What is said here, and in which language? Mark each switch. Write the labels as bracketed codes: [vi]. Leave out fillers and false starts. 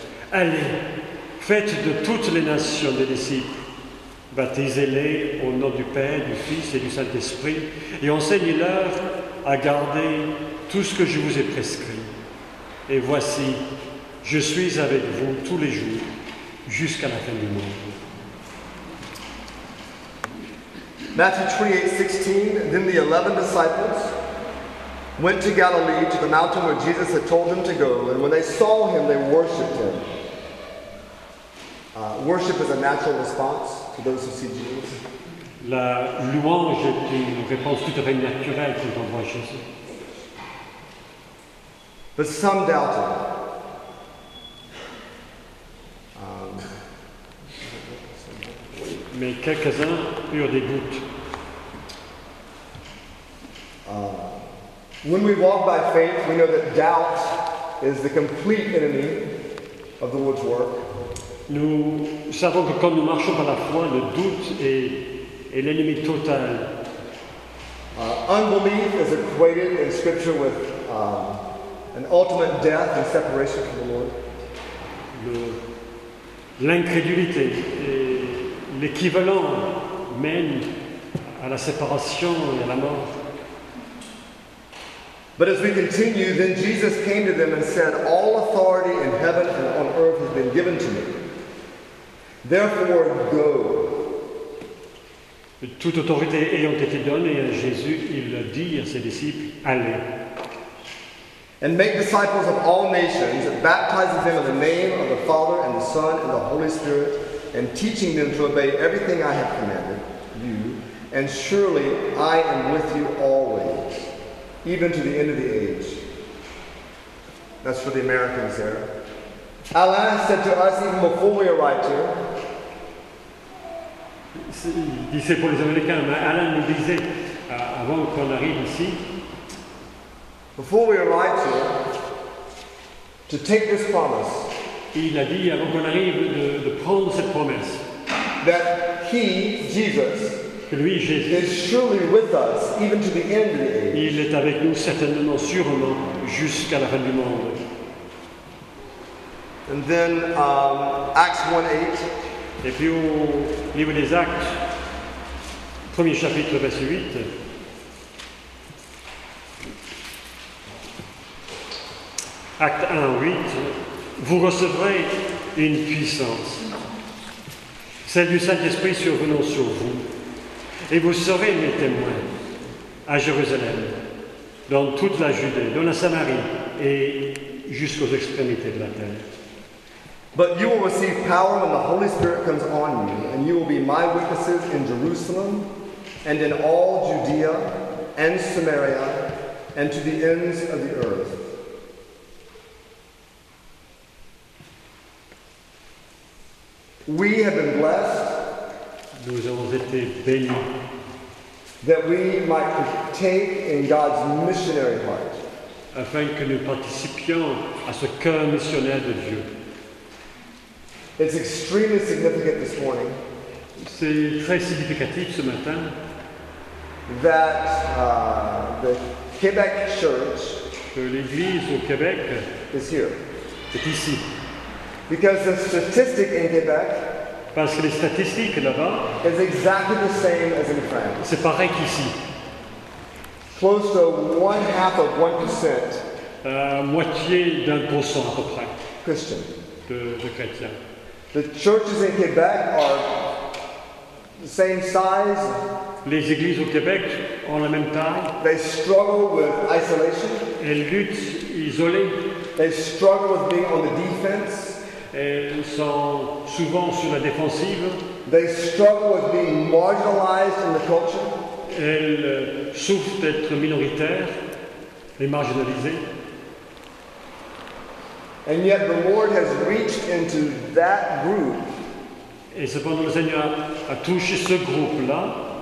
[fr] Allez, faites de toutes les nations des disciples, baptisez-les au nom du Père, du Fils et du Saint-Esprit, et enseignez-leur à garder tout ce que je vous ai prescrit. Et voici, je suis avec vous tous les jours, jusqu'à la fin du monde. » [en] Matthew 28:16. Then the 11 disciples went to Galilee, to the mountain where Jesus had told them to go, and when they saw him, they worshipped him. Worship is a natural response to those who see Jesus. [fr] La louange est une réponse tout à fait naturelle quand on voit Jésus. [en] But some doubted. [fr] Mais quelques-uns eurent des doutes. [en] When we walk by faith, we know that doubt is the complete enemy of the Lord's work. [fr] Nous savons que quand nous marchons par la foi, le doute est l'ennemi total. [en] Unbelief is equated in Scripture with an ultimate death and separation from the Lord. [fr] L'incrédulité est l'équivalent même à la séparation et à la mort. [en] But as we continue, then Jesus came to them and said, "All authority in heaven and on earth has been given to me. Therefore, go." [fr] Toute autorité ayant été donnée à Jésus, il dit à ses disciples, allez. [en] And make disciples of all nations, baptizing them in the name of the Father and the Son and the Holy Spirit, and teaching them to obey everything I have commanded you. And surely I am with you always, even to the end of the age. That's for the Americans there. Alain said to us even before we arrived here. [fr] C'est pour les Américains, mais Alain nous disait avant qu'on arrive ici. [en] Before we arrive here, to take this promise. [fr] Il a dit avant qu'on arrive de prendre cette promesse. [en] That he, Jesus, [fr] que lui, Jésus, [en] is surely with us even to the end of the age. [fr] Il est avec nous certainement, sûrement, jusqu'à la fin du monde. [en] And then Acts 1:8. [fr] Et puis au livre des Actes, premier chapitre, verset 8. Acte 1:8. Vous recevrez une puissance, celle du Saint-Esprit survenant sur vous, et vous serez mes témoins à Jérusalem, dans toute la Judée, dans la Samarie et jusqu'aux extrémités de la terre. [en] But you will receive power when the Holy Spirit comes on you, and you will be my witnesses in Jerusalem, and in all Judea and Samaria, and to the ends of the earth. We have been blessed. [fr] Nous avons été bénis. [en] That we might partake in God's missionary heart. [fr] Afin que nous participions à ce cœur missionnaire de Dieu. [en] It's extremely significant this morning. [fr] C'est très significatif ce matin. [en] That the Quebec Church, [fr] que l'Église au Québec, [en] is here. [fr] Est ici. [en] Because the statistic in Quebec, [fr] Parce que les statistiques là-bas, [en] is exactly the same as in France. [fr] C'est pareil qu'ici. [en] Close to one half of 1%. [fr] Moitié d'un pour cent à peu près. [en] Christian. [fr] De chrétiens. [en] The churches in Quebec are the same size. [fr] Les églises au Québec ont la même taille. [en] They struggle with isolation. [fr] Elles luttent isolées. [en] They struggle with being on the defense. [fr] Elles sont souvent sur la défensive. [en] They struggle with being marginalized in the culture. [fr] Elles souffrent d'être minoritaires et marginalisées. [en] And yet the Lord has reached into that group. [fr] Et cependant le Seigneur a touché ce groupe-là.